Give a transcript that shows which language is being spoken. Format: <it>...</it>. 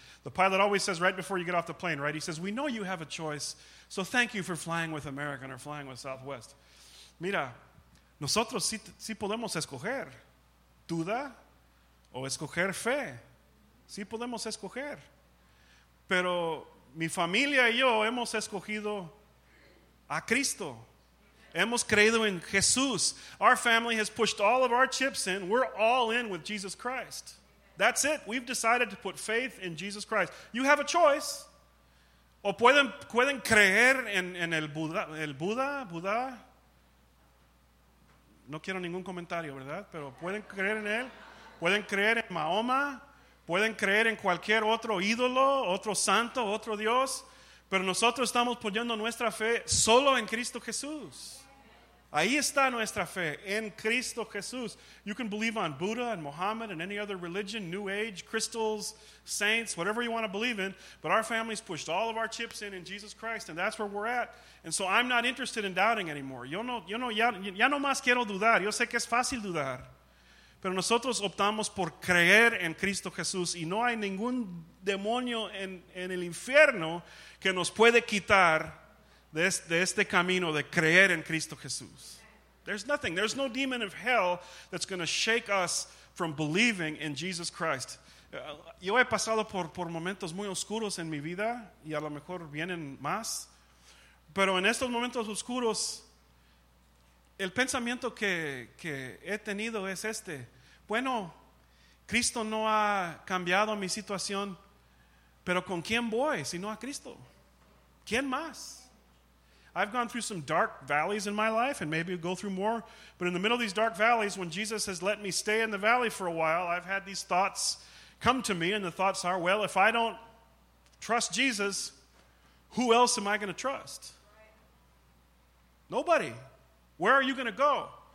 <en>The pilot always says right before you get off the plane, right? He says, we know you have a choice, so thank you for flying with American or flying with Southwest.</en> <es>Mira, nosotros sí podemos escoger duda o escoger fe. Sí podemos escoger. Pero mi familia y yo hemos escogido a Cristo. Hemos creído en Jesús.</es> <en>Our family has pushed all of our chips in. We're all in with Jesus Christ. That's it. We've decided to put faith in Jesus Christ. You have a choice.</en> <es>O pueden creer en el Buda. No quiero ningún comentario, ¿verdad? Pero pueden creer en él. Pueden creer en Mahoma. Pueden creer en cualquier otro ídolo, otro santo, otro Dios. Pero nosotros estamos poniendo nuestra fe solo en Cristo Jesús. Ahí está nuestra fe, en Cristo Jesús.</es> <en>You can believe on Buddha and Muhammad and any other religion, New Age, crystals, saints, whatever you want to believe in. But our family's pushed all of our chips in Jesus Christ, and that's where we're at. And so I'm not interested in doubting anymore.</en> <es>Yo no no más quiero dudar. Yo sé que es fácil dudar. Pero nosotros optamos por creer en Cristo Jesús, y no hay ningún demonio en el infierno que nos puede quitar de este camino de creer en Cristo Jesús.</es> <en>There's nothing. There's no demon of hell that's going to shake us from believing in Jesus Christ.</en> <es>Yo he pasado por momentos muy oscuros en mi vida, y a lo mejor vienen más. Pero en estos momentos oscuros, el pensamiento que he tenido es este. Bueno, Cristo no ha cambiado mi situación, pero ¿con quién voy si no a Cristo? ¿Quién más?</es> <en>I've gone through some dark valleys in my life, and maybe go through more, but in the middle of these dark valleys, when Jesus has let me stay in the valley for a while, I've had these thoughts come to me, and the thoughts are, well, if I don't trust Jesus, who else am I going to trust? Nobody. Where are you going to go?</en>